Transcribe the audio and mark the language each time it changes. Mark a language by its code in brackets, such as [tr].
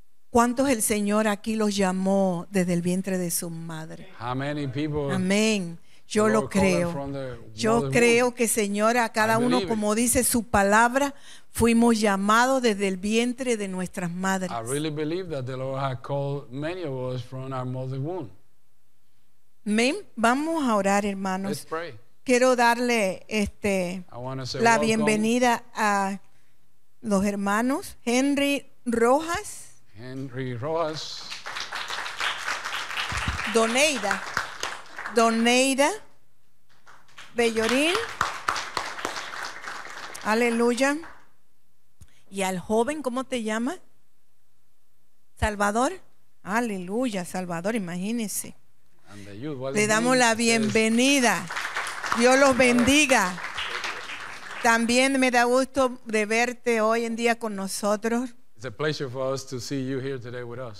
[es] ¿Cuántos el Señor aquí los llamó desde el vientre de su madre? Amén. Yo lo creo. Yo creo que, Señor, a cada uno, como dice su palabra, fuimos llamados desde el vientre de nuestras madres. [en] I really believe that the Lord has called many of us from our mother's womb. [es] Amén. Vamos a orar, hermanos. [en] Let's pray. [es] Quiero darle la bienvenida a los hermanos Henry Rojas. Henry Rojas. Doneida Bellorín. Aleluya. Y al joven, ¿cómo te llamas? Salvador. Aleluya, Salvador, imagínese. Le damos la bienvenida. Dios los bendiga. También me da gusto de verte hoy en día con nosotros. [en] It's a pleasure for us to see you here today with us.